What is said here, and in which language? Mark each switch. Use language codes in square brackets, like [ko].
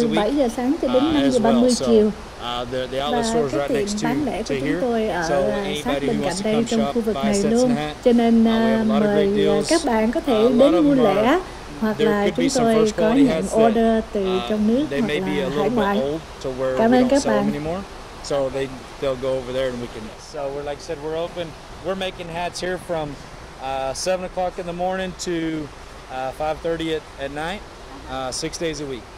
[vi] Từ 7 giờ sáng cho đến 5:30 chiều. [en] The outlet store is right next to here. So anybody who wants to come shop, buy a Stetson hat. [vi] Cho nên mời các bạn có thể đến mua lẻ hoặc là chúng tôi có nhận order từ trong nước hoặc là hải ngoại. Cảm ơn các bạn. [en] So they'll go over there and we can. So we're like I said, we're open. We're making hats here from 7:00 in the morning to 5:30 at night, 6 days a week.